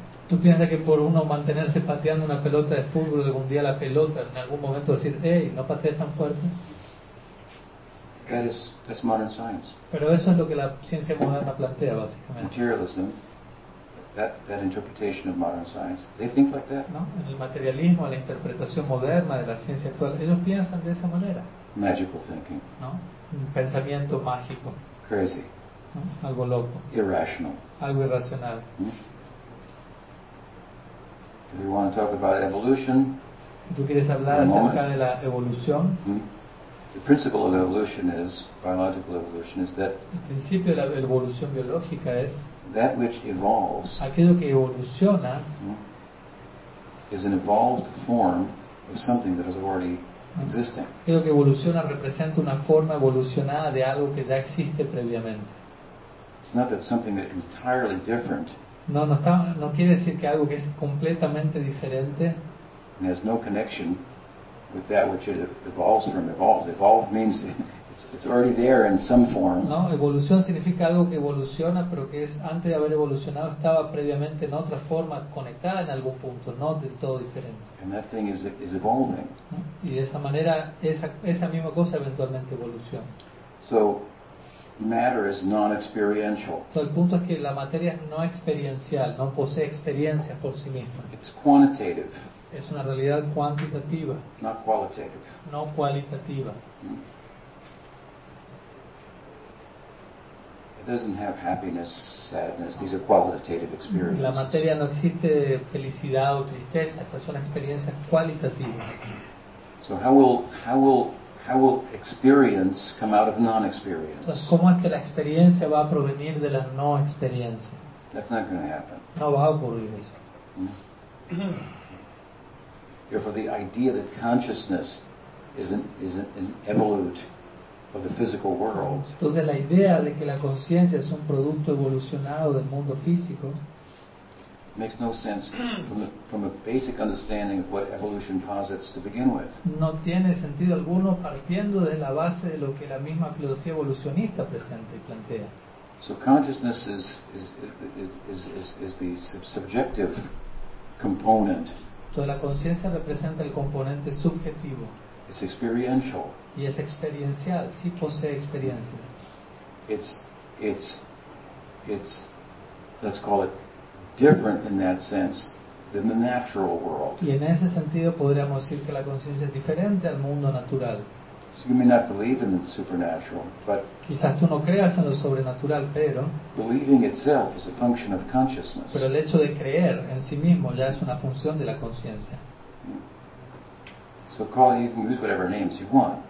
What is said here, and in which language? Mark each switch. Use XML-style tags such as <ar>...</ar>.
<es>¿Tú piensas que por uno mantenerse pateando una pelota de fútbol de un día la pelota en algún momento decir, hey, no patees tan fuerte?</es> <en>That's modern science.</en> <es>Pero eso es lo que la ciencia moderna plantea básicamente.</es> <en>Materialism, that interpretation of modern science, they think like that.</en> <es>¿No? En el materialismo, la interpretación moderna de la ciencia actual, ellos piensan de esa manera.</es> <en>Magical thinking.</en> <es>¿No? Un pensamiento mágico.</es> <en>Crazy.</en> <es>¿No? Algo loco.</es> <en>Irrational.</en> <es>Algo irracional.</es> <en>If you want to talk about evolution,</en> <es>si tú quieres hablar acerca de la evolución,</es> <en>The principle of evolution is, biological evolution, is that</en> <es>el principio de la evolución biológica es</es> <en>that which evolves,</en> <es>aquello que evoluciona,</es> <en>is an evolved form of something that has already existing.</en> <es>Creo que evoluciona representa una forma evolucionada de algo que ya existe previamente.</es> <en>It's not that something that's entirely different.</en> <es>No, no está, no quiere decir que algo que es completamente diferente.</es> <en>And has no connection with that which it evolves from. Evolves. Evolve means it's already there in some form.</en> <es>No, evolución significa algo que evoluciona, pero que es antes de haber evolucionado estaba previamente en otra forma conectada en algún punto, no del todo diferente.</es> <en>And that thing is evolving.</en> <es>Y de esa manera esa misma cosa eventualmente evoluciona.</es> <en>So matter is non-experiential.</en> <es>So el punto es que la materia es no experiencial, no posee experiencia por sí misma.</es> <en>It's quantitative.</en> <es>Es una realidad cuantitativa.</es> <en>Not qualitative.</en> <es>No cualitativa.</es> <en>It doesn't have happiness, sadness. These are qualitative experiences.</en> <es>La materia no existe felicidad o tristeza. Estas son experiencias cualitativas.</es> <en>So how will experience come out of non-experience?</en> <es>Entonces, ¿cómo es que la experiencia va a provenir de la no experiencia?</es> <en>That's not going to happen.</en> <es>No va a ocurrir eso.</es> <en>Therefore, the idea that consciousness is an evolute of the physical world.</en> <es>Entonces, la idea de que la conciencia es un producto evolucionado del mundo físico.</es> <en>Makes no sense from a basic understanding of what evolution posits to begin with.</en> <es>No tiene sentido alguno partiendo de la base de lo que la misma filosofía evolucionista presenta y plantea.</es> <en>So consciousness is the subjective component.</en> <es>Toda la conciencia representa el componente subjetivo.</es> <en>It's experiential.</en> <es>Y es experiencial, sí posee experiencias.</es> <en>It's let's call it different in that sense than the natural world.</en> <es>Y en ese sentido podríamos decir que la conciencia es diferente al mundo natural.</es> <en>So you may not believe in the supernatural, but</en> <es>quizás tú no creas en lo sobrenatural, pero</es> <en>believing itself is a function of consciousness.</en> <es>Pero el hecho de creer en sí mismo ya es una función de la conciencia.</es> <en>So call it, you can use whatever names you want.</en>